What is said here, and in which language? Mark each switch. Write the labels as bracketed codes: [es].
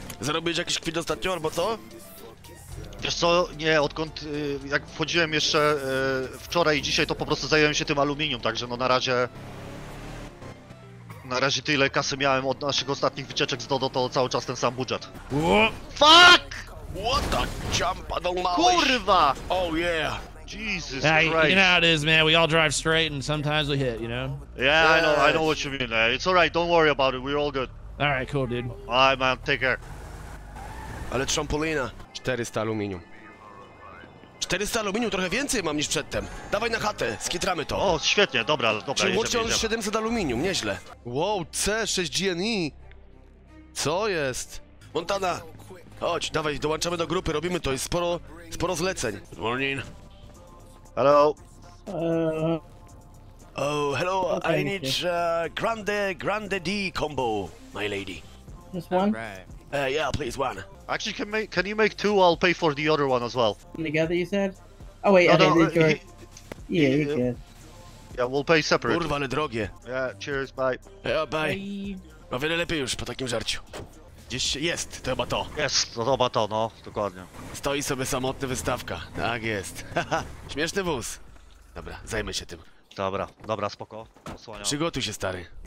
[pl] Zarobić jakiś kwit ostatnio, albo co? Wiesz co, nie, odkąd jak wchodziłem jeszcze wczoraj i dzisiaj, to po prostu zająłem się tym aluminium, także no na razie tyle kasy miałem od naszych ostatnich wycieczek z Dodo, to cały czas ten sam budżet. [en] Fuck! What the jump on the lunch? [pl] Kurwa! [en] Oh yeah. Jesus hey, Christ. You know how it is, man. We all drive straight and sometimes we hit, you know? Yeah, yes. I know what you mean, man. It's alright, don't worry about it. We're all good. Alright, cool, dude. Alright, man, take care. [pl] Ale trampolina. 400 aluminium. 400 aluminium, trochę więcej mam niż przedtem. Dawaj na chatę, skitramy to. O, świetnie, dobra. Czy łączy on 700 aluminium, nieźle. Wow, C6 GNI. Co jest? Montana, chodź, dawaj, dołączamy do grupy, robimy to. Jest sporo zleceń. [en] Good morning. Hello. Oh, hello, okay, I need grande D combo, my lady. This one? Yeah, please, one. Actually, can you make two? I'll pay for the other one as well. Together, you said? Oh, wait, no, you're good. Yeah, we'll pay separately. [pl] Kurwa, ale drogie. [en] Yeah, cheers, bye. Yeah, bye. [pl] O wiele lepiej już po takim żarciu. Gdzieś jest, to chyba to. Jest, to chyba to, no, dokładnie. Stoi sobie samotny wystawka. Tak jest. Śmieszny wóz. Dobra, zajmę się tym. Dobra, spoko. Osłania. Przygotuj się, stary.